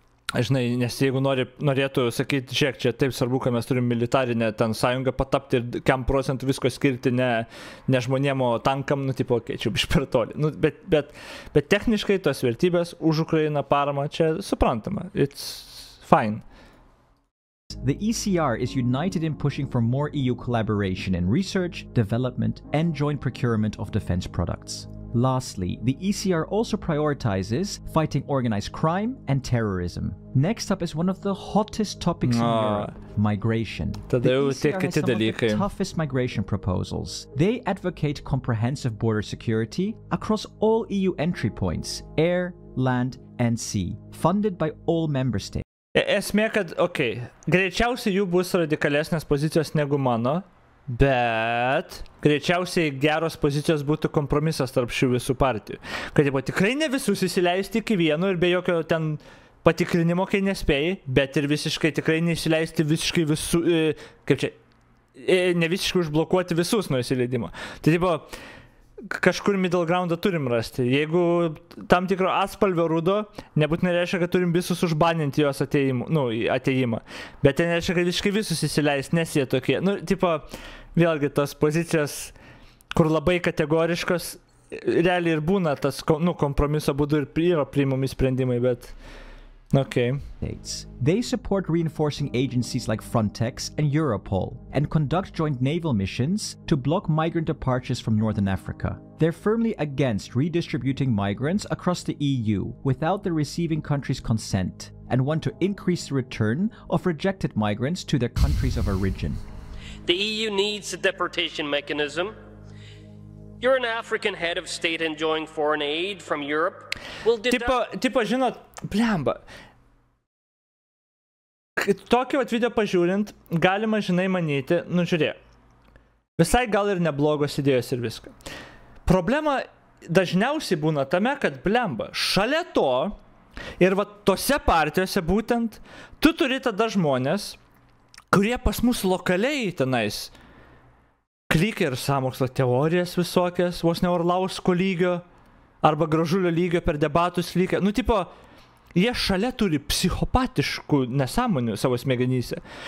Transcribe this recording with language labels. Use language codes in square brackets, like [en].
[lt] Žinai, nes jeigu norėtų sakyti, žiūrėk, čia taip svarbu, kad mes turim militarinę ten sąjungą patapti ir kiam procentų visko skirti ne žmonėm, o tankam, nu, tipo, keičiau, iš per toli. Nu, bet techniškai tos vertybės už Ukrainą paramą čia suprantama. [en] It's fine. The ECR is united in pushing for more EU collaboration in research, development and joint procurement of defense products. Lastly, the ECR also prioritizes fighting organized crime and terrorism. Next up is one of the hottest topics in Europe, migration. The ECR has some of the toughest migration proposals. They advocate comprehensive border security across all EU entry points, air, land and sea, funded by all member states. [lt] Esmė, kad, okay, greičiausiai jų bus radikalesnės pozicijos negu mano. Bet greičiausiai geros pozicijos būtų kompromisas tarp šių visų partijų. Kad jie buvo tikrai ne visus įsileisti iki vieno ir be jokio ten patikrinimo, kai nespėjai, bet ir visiškai tikrai neįsileisti visiškai visų, kaip čia, ne visiškai užblokuoti visus nuo įsileidimo. Tai buvo, kažkur middle groundą turim rasti. Jeigu tam tikro atspalvio rudo, nebūtinai reiškia, kad turim visus užbaninti jos atėjimą, nu, atėjimą. Bet tai nereiškia, kad visiškai visus įsileis, nes jie tokie. Nu, tipo, vėlgi tos pozicijos, kur labai kategoriškos, realiai ir būna tas, nu, kompromiso būdu ir yra priimami sprendimai, bet [en] Okay. They support reinforcing agencies like Frontex and Europol and conduct joint naval missions to block migrant departures from Northern Africa. They're firmly against redistributing migrants across the EU without the receiving country's consent and want to increase the return of rejected migrants to their countries of origin. The EU needs a deportation mechanism. You're an African head of state enjoying foreign aid from Europe. [lt] Well, tipo, žinot, blemba. Tokį vat video pažiūrint, galima, žinai, manyti, nu žiūrėk, visai gal ir neblogos idėjos ir viską. Problema dažniausiai būna tame, kad blemba, šalia to, ir vat tose partijose būtent, tu turi tada žmonės, kurie pas mus lokaliai tenais, klikia ir sąmokslo teorijas visokias, vos ne Orlausko lygio, arba Gražulio lygio per debatus lygio, nu tipo, jie šalia turi psichopatiškų nesąmonių savo smegenyse.